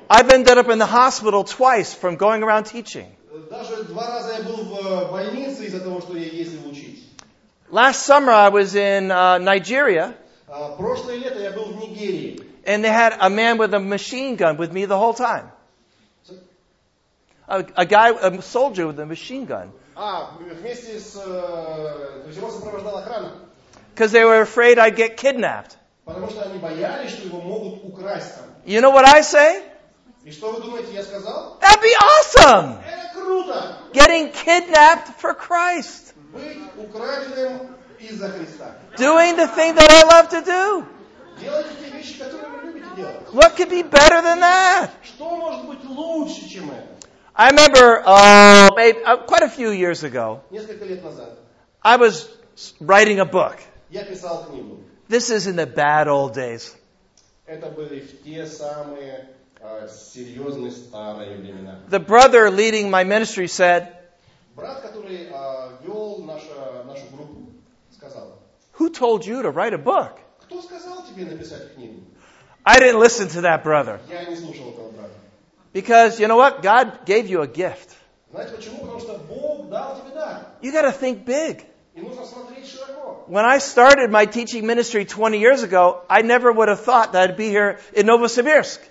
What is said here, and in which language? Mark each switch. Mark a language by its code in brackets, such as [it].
[en] I've ended up in the hospital twice from going around teaching. [ru] Даже 2 раза я был в больнице из-за того, что я ездил учить. [en] Last summer I was in Nigeria. [ru] Прошлое лето я был в Нигерии. [en] And they had a man with a machine gun with me the whole time. A soldier with a machine gun. [ru] Вместе с его сопровождал охрана. [en] Because they were afraid I'd get kidnapped. [ru] Потому что они боялись, что его могут украсть там. [en] You know what I say? [ru] И что вы думаете, я сказал? [en] That'd be awesome! [ru] Это круто! [en] Getting kidnapped for Christ. [ru] Быть украденным из-за Христа. [en] Doing the thing that I love to do. [ru] Делайте те вещи, которые вы любите делать. [en] What could be better than that? [ru] Что может быть лучше, чем это? [en] I remember quite a few years ago, [ru] несколько лет назад, [en] I was writing a book. [ru] Я писал книгу. [en] This is in the bad old days. [ru] Это были в те самые серьезные старые времена. [en] The brother leading my ministry said, [ru] брат, который вел нашу группу, сказал, [en] who told you to write a book? [ru] Кто сказал тебе написать книгу? [en] I didn't listen to that brother. [ru] Я не слушал этого брата. [en] Because, you know what? God gave you a gift. [ru] Знаете почему? Потому что Бог дал тебе дар. [en] You got to think big. [ru] И нужно смотреть широко. [en] When I started my teaching ministry 20 years ago, I never would have thought that I'd be here in Novosibirsk.